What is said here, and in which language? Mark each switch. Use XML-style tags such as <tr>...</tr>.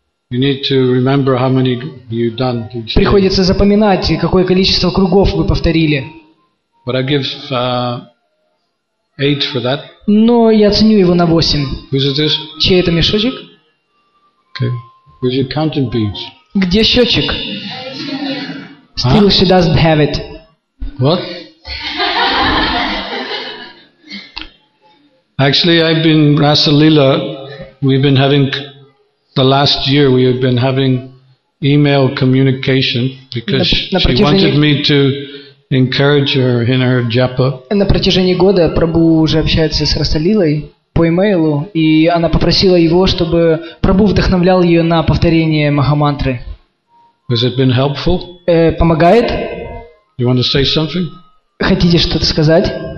<en>You need to remember how many you've done.</en> <ru>Приходится запоминать, какое количество кругов вы повторили.</ru> <en>But I give 8 for that.</en> <ru>Но я ценю его на 8.</ru> <en>Who's it this?</en> <ru>Чей это мешочек?</ru> <en>Okay. Where's your counting beads?</en> <ru>Где счетчик?</ru> <en>Still huh? She doesn't have it. What? Actually, I've been Rasa Lila. We've been having the last year. We have been having email communication because she wanted me to encourage her in her japa.</en> <ru>На протяжении года Прабу уже общается с Раса Лилой по имейлу, и она попросила его, чтобы Прабу вдохновлял ее на повторение махамантры.</ru> <en>Has it been helpful?</en> <ru>Помогает?</ru> <en>You want to say something?</en> <ru>Хотите что-то сказать?</ru>